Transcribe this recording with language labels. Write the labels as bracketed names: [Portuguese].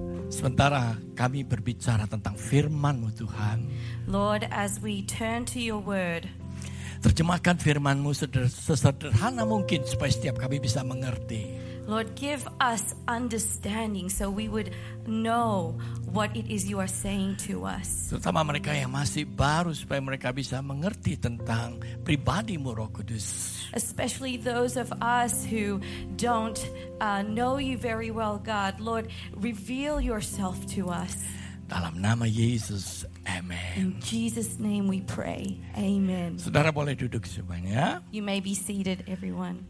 [Indonesian] Sementara kami berbicara tentang firman-Mu Tuhan. [English] Lord, as we turn to your word. [Indonesian] Terjemahkan firman-Mu sesederhana mungkin supaya setiap kami bisa mengerti. [English] Lord, give us understanding so we would know what it is you are saying to us. [Indonesian] Terutama mereka yang masih baru supaya mereka bisa mengerti tentang pribadi-Mu Roh Kudus. [English] Especially those of us who don't know you very well, God. Lord, reveal yourself to us. [Indonesian] Dalam nama Yesus, amen. [English] In Jesus' name we pray, amen. [Indonesian] Saudara boleh duduk semuanya. [English] You may be seated, everyone.